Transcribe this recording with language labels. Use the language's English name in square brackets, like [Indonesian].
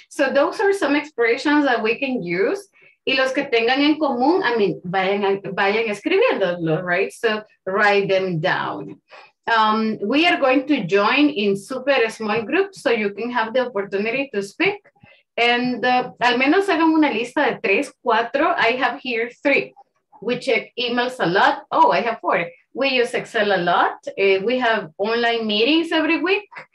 [English] So those are some expressions that we can use. [Spanish] Y los que tengan en común, [English] I mean, [Spanish] vayan escribiéndolo, right? [English] So write them down. We are going to join in super small groups so you can have the opportunity to speak. [Spanish] And al menos hagan una lista de 3, 4. [English] I have here 3. We check emails a lot. Oh, I have 4. We use Excel a lot. We have online meetings every week.